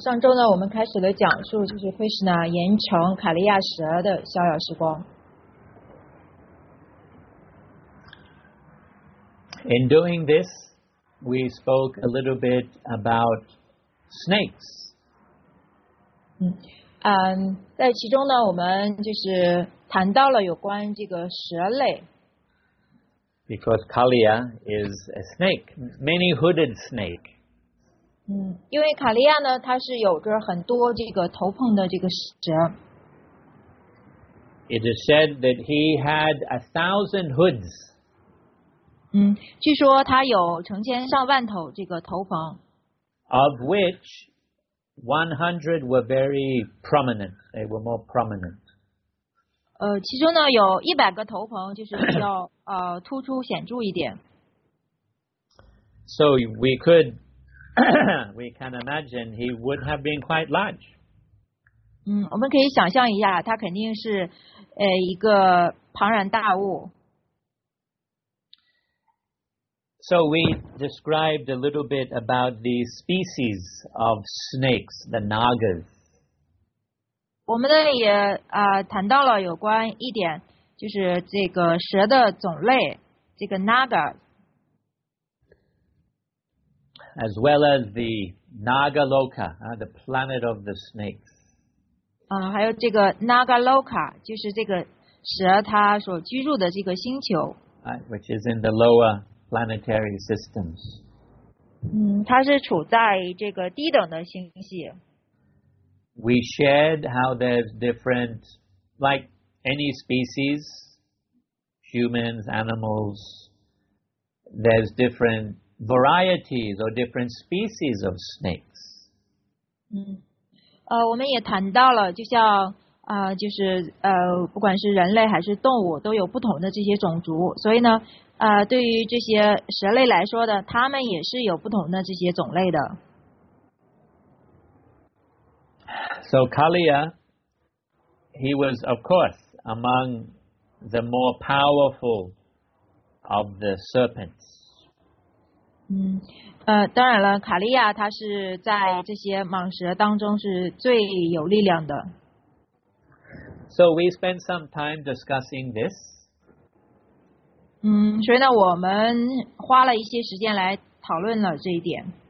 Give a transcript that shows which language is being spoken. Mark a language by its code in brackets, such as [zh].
[zh] 上周呢，我们开始了讲述就是 Krishna 严惩卡利亚蛇的逍遥时光。 [en] In doing this, we spoke a little bit about snakes. [zh] 在其中呢，我们就是谈到了有关这个蛇类。 [en] Because Kaliya is a snake, many-hooded snake. [zh] 因为卡利亚呢，它是有着很多这个头碰的这个蛇。 [en] It is said that he had 1,000 hoods. [zh] 据说它有成千上万头这个头鹏。 [en] Of which 100 were very prominent. They were more prominent. [zh] 其中呢有100个头鹏就是比较突出显著一点。 [en] So we could, we can imagine he would have been quite large. [zh] 我们可以想象一下他肯定是一个庞然大物。 [en] So we described a little bit about the species of snakes, the nagas. [zh] 我们呢也谈到了有关一点，就是这个蛇的种类，这个 naga. [en] As well as the Naga Loka, the planet of the snakes. [zh] 还有这个 Naga Loka, 就是这个蛇它所居住的这个星球。 [en] Which is in the lower planetary systems. [zh] 它是处在这个低等的星系。 [en] We shared how there's different, like any species, humans, animals, there's different varieties or different species of snakes. [zh] 我们也谈到了，就像就是不管是人类还是动物，都有不同的这些种族。所以呢，对于这些蛇类来说的，它们也是有不同的这些种类的。 [en] So Kaliya, he was of course among the more powerful of the serpents. [zh] 当然了，卡利亚他是在这些蟒蛇当中是最有力量的。 [en] So we spent some time discussing this. [zh] 所以呢，我们花了一些时间来讨论了这一点。